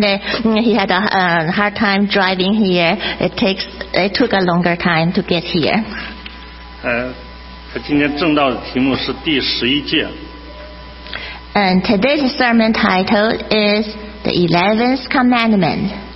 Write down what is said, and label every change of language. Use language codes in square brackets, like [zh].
[en] He had a hard time driving here. It took a longer time to get here. [zh] 他今天证道的题目是第十一诫。 [en] And today's sermon title is the 11th commandment.